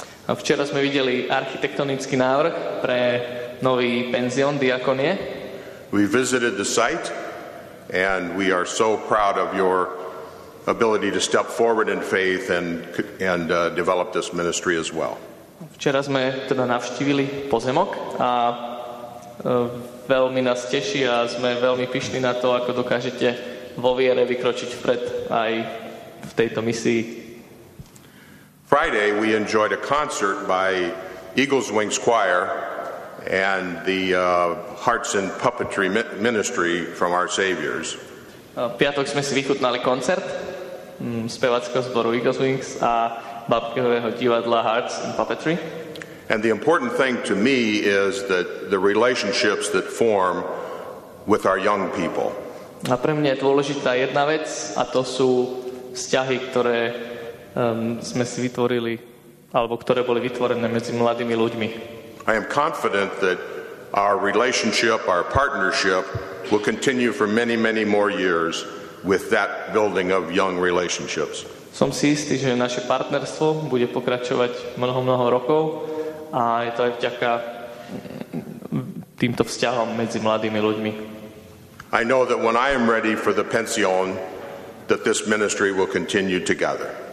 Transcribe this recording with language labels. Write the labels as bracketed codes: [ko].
[sk] A včera sme videli architektonický návrh pre nový penzión diakonie. [en] We visited the site and we are so proud of your ability to step forward in faith and develop this ministry as well. [sk] Včera sme teda navštívili pozemok a veľmi nás teší a sme veľmi pyšní na to, ako dokážete vo viere vykročiť vpred aj v tejto misii. [en] Friday we enjoyed a concert by Eagles Wings Choir and the Hearts and Puppetry Ministry from Our Saviors. [sk] Piatok sme si vychutnali koncert speváckeho zboru Eagles Wings a babkového divadla Hearts and Puppetry. [en] And the important thing to me is that the relationships that form with our young people. [sk] A pre mňa je dôležitá jedna vec, a to sú vzťahy, ktoré sme si vytvorili alebo ktoré boli vytvorené medzi mladými ľuďmi. [en] I am confident that our relationship, our partnership will continue for many, many more years with that building of young relationships. [sk] Som si istý, že naše partnerstvo bude pokračovať mnoho, mnoho rokov a je to aj vďaka týmto vzťahom medzi mladými ľuďmi. [en] I know that when I am ready for the pension, that this ministry will continue together.